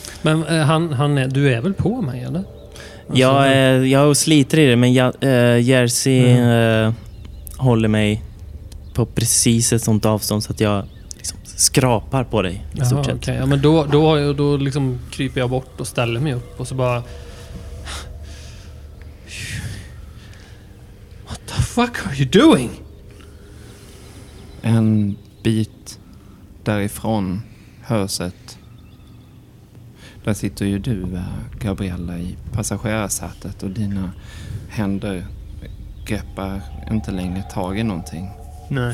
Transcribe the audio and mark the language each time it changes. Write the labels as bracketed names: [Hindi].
[Swedish] Men han är, du är väl på mig, eller? Alltså, jag sliter i det. Men Jersey håller mig på precis ett sånt avstånd. Så att jag liksom skrapar på dig. Jaha, okay. Ja, men då liksom kryper jag bort och ställer mig upp. Och så bara [English] what the fuck are you doing? [Swedish] En bit därifrån hörs ett. Där sitter ju du, Gabriella, i passagerarsätet och dina händer greppar inte längre tag i någonting. Nej.